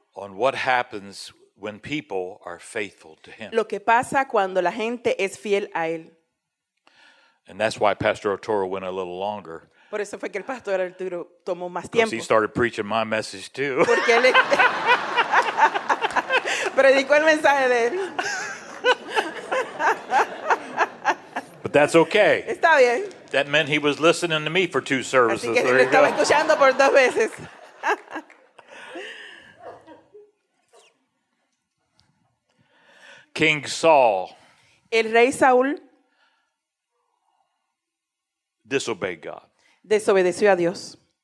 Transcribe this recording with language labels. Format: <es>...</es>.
<en>On what happens when people are faithful to him.</en> <es>Lo que pasa cuando la gente es fiel a él.</es> <en>And that's why Pastor Arturo went a little longer.</en> <es>Por eso fue que el Pastor Arturo tomó más tiempo.</es> <en>Because he started preaching my message too.</en> <es>Porque él predicó el mensaje de él.</es> <en>But that's okay.</en> <es>Está bien.</es> <en>That meant he was listening to me for two services.</en> <es>Así que le estaba escuchando por dos veces.</es> <en>King Saul.</en> <es>El rey Saúl.</es> <en>Disobeyed God.</en> <es>Desobedeció a Dios.</es>